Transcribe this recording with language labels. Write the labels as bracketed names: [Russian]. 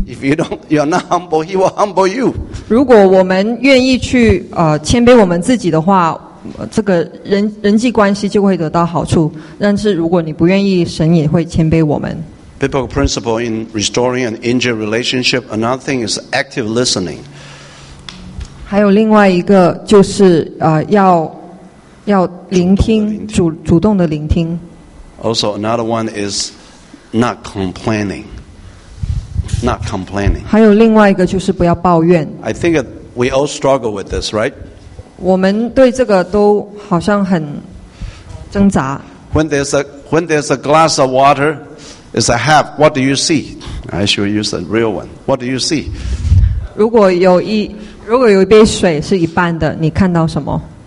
[English] If you don't, you're not humble, he will humble you. [Chinese] 如果我们愿意去谦卑我们自己的话，这个人际关系就会得到好处。但是如果你不愿意，神也会谦卑我们。 [English] Biblical principle in restoring an injured relationship. Another thing is active listening. [Chinese] 还有另外一个就是要聆听，主动的聆听。 [English] Also, another one is not complaining. Not complaining. [Chinese] 还有另外一个就是不要抱怨。 [English] I think we all struggle with this, right? [Chinese] 我们对这个都好像很挣扎。 [English] When there's a glass of water, it's a half. What do you see? I should use a real one. What do you see? [Chinese] 如果有一杯水是一半的，你看到什么